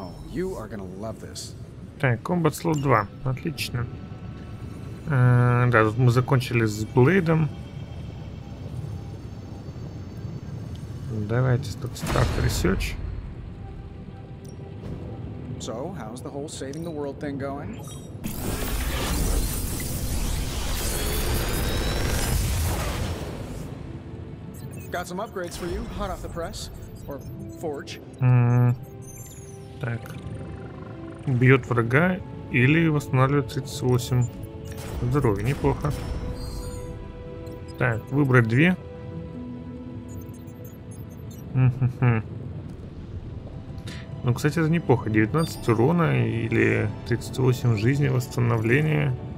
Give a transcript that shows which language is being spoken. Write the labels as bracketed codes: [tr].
[en] You are gonna love this. [ru] Так, Combat Slot 2, отлично. Да, тут мы закончили с Блейдом. Давайте тут Start Research. [en] So, how's the whole saving the world thing going? Got some upgrades for you, hot off the press, or forge. [ru] Так. Бьет врага или восстанавливает 38 здоровья. Неплохо. Так, выбрать две. Ну, кстати, это неплохо. 19 урона или 38 жизни восстановления.